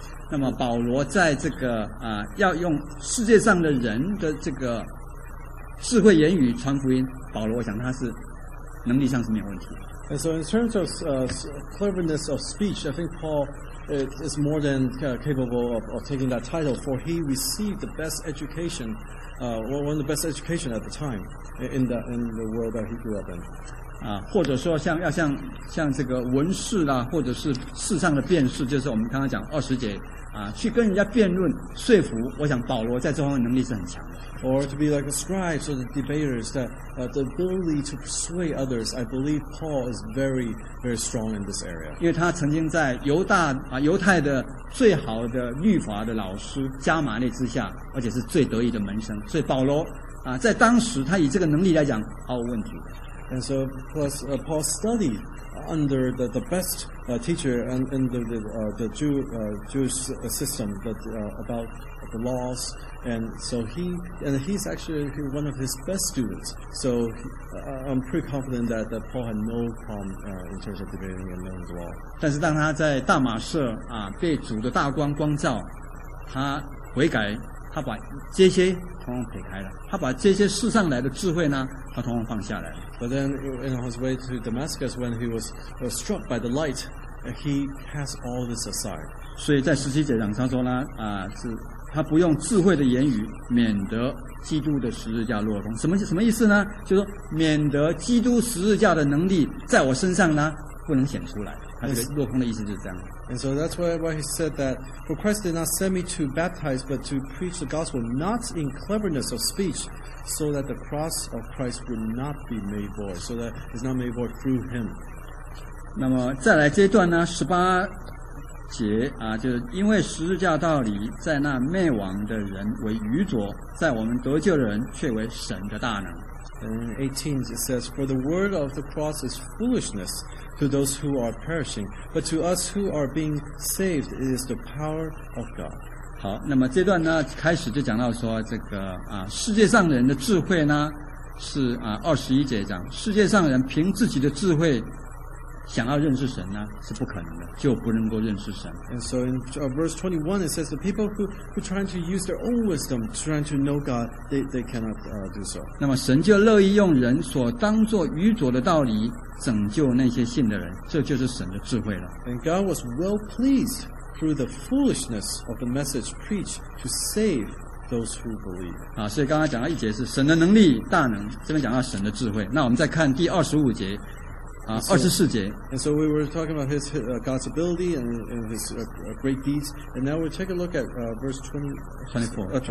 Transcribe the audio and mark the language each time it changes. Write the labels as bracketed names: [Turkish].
[Chinese] 那么保罗在这个要用世界上的人的这个智慧言语传福音，保罗我想他是能力上是没有问题的。 [English] And so in terms of cleverness of speech, I think Paul is more than capable of taking that title, for he received the best education, one of the best education at the time in the world that he grew up in. [Chinese] 啊，或者说像这个文士啦，或者是世上的辩士，就是我们刚刚讲二十节啊，去跟人家辩论说服，我想保罗在这方面能力是很强的。 [English] Or to be like a scribe, so the debaters, the ability to persuade others, I believe Paul is very, very strong in this area. [Chinese] 因为他曾经在犹太的最好的律法的老师加玛利之下，而且是最得意的门生，所以保罗在当时他以这个能力来讲毫无问题的。 [English] And so, plus, Paul studied under the best teacher under the Jewish system, but about the laws. And so he's actually one of his best students. So I'm pretty confident that Paul had no problem in terms of debating and knowing the law. [Chinese] 但是当他在大马士啊被主的大光光照，他悔改，他把这些统统撇开了，他把这些世上来的智慧呢，他统统放下来了。 [English] But then, in his way to Damascus, when he was struck by the light, he cast all this aside. [Chinese] 所以在十七节上他说呢，啊是。他不用智慧的言语，免得基督的十字架落空。什么意思呢？就是说，免得基督十字架的能力在我身上呢，不能显出来。他这个落空的意思就是这样。 [English] And so that's why he said that for Christ did not send me to baptize, but to preach the gospel, not in cleverness of speech, so that the cross of Christ would not be made void, so that it's not made void through him. [Chinese] 那么再来这一段呢，十八。节啊，就是因为十字架道理，在那灭亡的人为愚拙，在我们得救的人却为神的大能。 [English] In 18, it says, "For the word of the cross is foolishness to those who are perishing, but to us who are being saved, it is the power of God." [Chinese] 好，那么这段呢，开始就讲到说这个啊，世界上人的智慧呢，是啊，二十一节讲，世界上人凭自己的智慧。想要认识神呢是不可能的，就不能够认识神。 [English] And so in verse 21 it says the people who trying to use their own wisdom, trying to know God, they cannot do so. [Chinese] 那么神就乐意用人所当作愚拙的道理拯救那些信的人，这就是神的智慧了。 [English] And God was well pleased through the foolishness of the message preached to save those who believe. [Chinese] 啊，所以刚刚讲到一节是神的能力大能，这边讲到神的智慧。那我们再看第二十五节。 [English] And so we were talking about his God's ability and his great deeds, and now we'll take a look at verse 24.